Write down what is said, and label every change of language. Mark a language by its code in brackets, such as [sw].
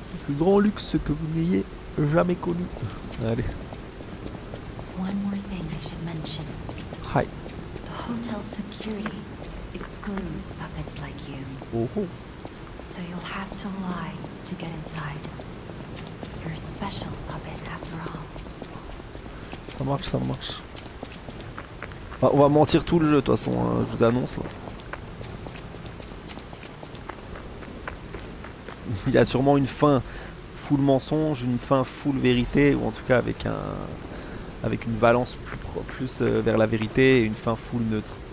[fr] Grand luxe que vous n'ayez jamais connu. Allez. [en] One more thing I should mention. Hi. The hotel security excludes puppets like you. Oh. So you'll have to lie to get inside. You're a special puppet after all. [fr] Ça marche, ça marche. Bah, on va mentir tout le jeu, de toute façon, hein, je vous annonce. Il y a sûrement une fin. Full mensonge, une fin full vérité, ou en tout cas avec un avec une valence plus vers la vérité et une fin full neutre.